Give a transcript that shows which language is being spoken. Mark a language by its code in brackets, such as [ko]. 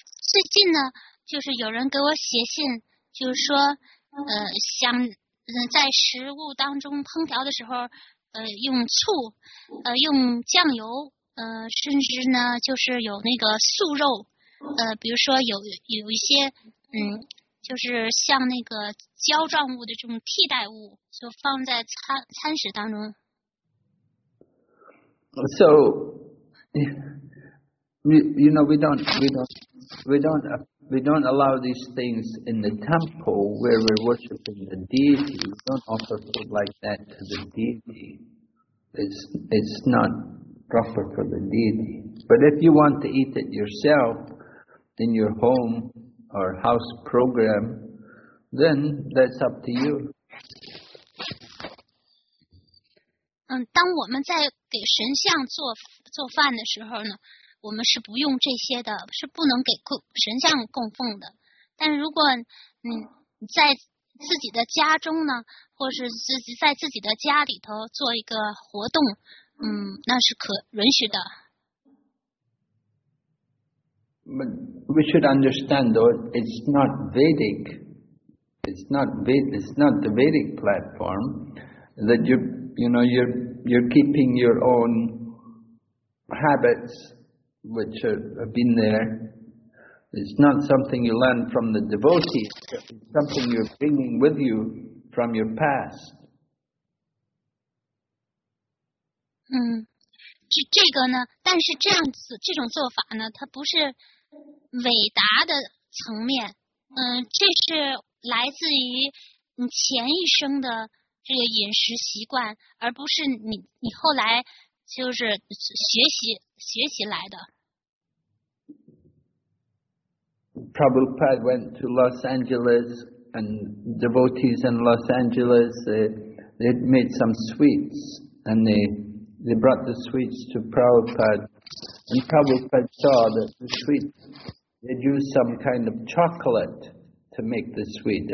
[zh] 最近呢，就是有人给我写信，就是说，想在食物当中烹调的时候，用醋，用酱油，甚至呢，就是有那个素肉，比如说有一些，就是像那个胶状物的这种替代物，就放在餐食当中。 [en] So, we don't allow these things in the temple where we're worshiping the deity. We don't offer food like that to the deity. It's not proper for the deity. But if you want to eat it yourself in your home or house program, then that's up to you. [zh] 当我们在给神像做饭的时候呢，我们是不用这些的，是不能给神像供奉的。但如果你在自己的家中呢，或是自己在自己的家里头做一个活动，那是可允许的。 [en] But we should understand though, it's not Vedic. It's not the Vedic platform that you're keeping your own habits which have been there. It's not something you learn from the devotees, it's something you're bringing with you from your past. [zh] 这个呢，但是这样子这种做法呢，它不是伟达的层面，这是来自于你前一生的这个饮食习惯，而不是你后来就是学习来的。 [en] Prabhupada went to Los Angeles, and devotees in Los Angeles they made some sweets, and they brought the sweets to Prabhupada, and Prabhupada saw that the sweets they'd use some kind of chocolate to make the sweet.